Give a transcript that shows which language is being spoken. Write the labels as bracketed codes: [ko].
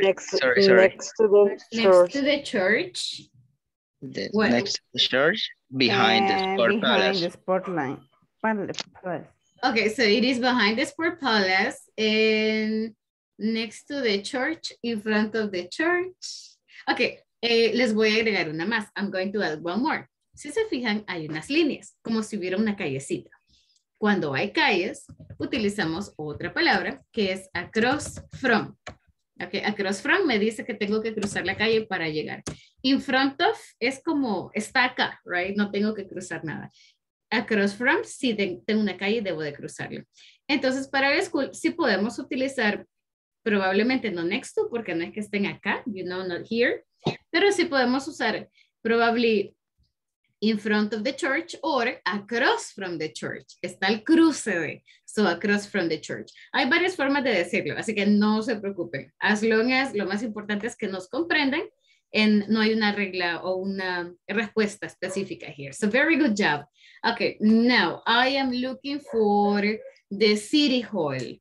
[en] next to the church. Next to the church. Behind the sport palace. Okay, so it is behind the sport palace and next to the church, in front of the church. [es] Okay, les voy a agregar una más. [en] I'm going to add one more. [es] Si se fijan, hay unas líneas, como si hubiera una callecita. Cuando hay calles, utilizamos otra palabra, que es across from. Okay, across from me dice que tengo que cruzar la calle para llegar. In front of es como, está acá, right? No tengo que cruzar nada. Across from, si tengo una calle, debo de cruzarlo. Entonces, para la school, si podemos utilizar probablemente no next to, porque no es que estén acá, [en] you know, not here. [es] Pero sí podemos usar [en] probably in front of the church [es] or across from the church. Está el cruce de, [en] so across from the church. [es] Hay varias formas de decirlo, así que no se preocupen. [en] As long as, [es] lo más importante es que nos comprendan. And no hay una regla o una respuesta específica here. [en] So very good job. Okay, now I am looking for the city hall.